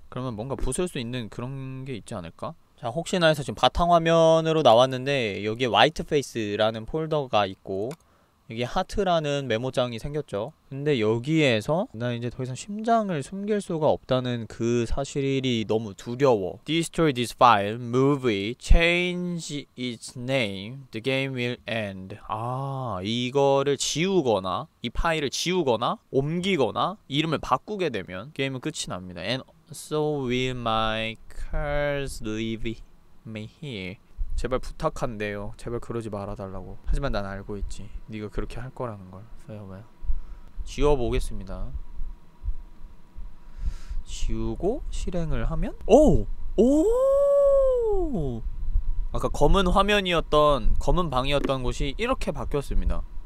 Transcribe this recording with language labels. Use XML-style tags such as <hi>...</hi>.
<ko>그러면 뭔가 부술 수 있는 그런 게 있지 않을까? 자, 혹시나 해서 지금 바탕화면으로 나왔는데 여기에 화이트페이스라는 폴더가 있고 여기에 하트라는 메모장이 생겼죠. 근데 여기에서 나 이제 더 이상 심장을 숨길 수가 없다는 그 사실이 너무 두려워.</ko> <en>Destroy this file, move it, change its name, the game will end.</en> <ko>아, 이거를 지우거나 이 파일을 지우거나 옮기거나 이름을 바꾸게 되면 게임은 끝이 납니다.</ko> <en>And so will my curse leave me here.</en> <ko>제발 부탁한대요. 제발 그러지 말아달라고. 하지만 난 알고 있지. 네가 그렇게 할 거라는 걸. 왜요? 지워보겠습니다. 지우고 실행을 하면? 오! 오! 아까 검은 화면이었던, 검은 방이었던 곳이 이렇게 바뀌었습니다.</ko>